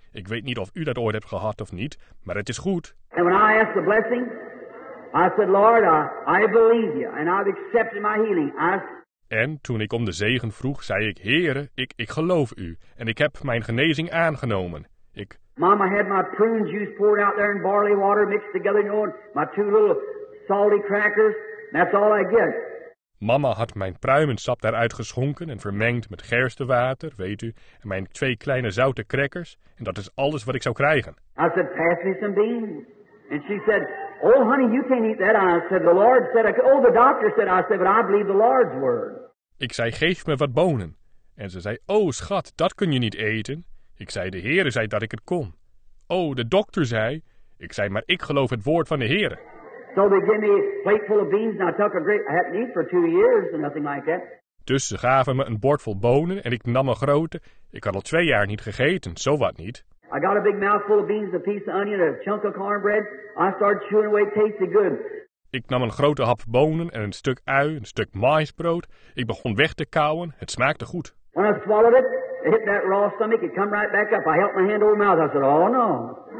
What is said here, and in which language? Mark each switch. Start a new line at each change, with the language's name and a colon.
Dutch: Ik weet niet of u dat ooit hebt gehad of niet, maar het is goed.
English: And when I asked the blessing, I said, Lord, I believe you, and I've accepted my healing.
Dutch: En toen ik om de zegen vroeg, zei ik, Heere, ik geloof u, en ik heb mijn genezing aangenomen.
English: Mama had my prune juice poured out there in barley water mixed together, you know, my 2 little salty crackers. That's all I get.
Dutch: Mama had mijn pruimensap daaruit geschonken en vermengd met gerstewater, weet u, en mijn 2 kleine zoute crackers, en dat is alles wat ik zou krijgen.
English: I said, pass me some beans. And she said, oh honey, you can't eat that. I said, the Lord said, oh the doctor said, I said, but I believe the Lord's word.
Dutch: Ik zei, geef me wat bonen. En ze zei, oh schat, dat kun je niet eten. Ik zei, de Heere zei dat ik het kon. Oh, de dokter zei. Ik zei, maar ik geloof het woord van de Heere.
English: So they gave me a plate full of beans and I took a great, I hadn't eaten for 2 years or nothing like that.
Dutch: Dus ze gaven me een bord vol bonen en ik nam een grote. Ik had al 2 jaar niet gegeten, zowat niet.
English: I got a big mouthful of beans, a piece of onion, a chunk of cornbread. I started chewing away, it tasted good.
Dutch: Ik nam een grote hap bonen en een stuk ui, een stuk maïsbrood. Ik begon weg te kauwen, het smaakte goed.
English: When I swallowed it, it hit that raw stomach, it come right back up. I held my hand over my mouth, I said, oh no.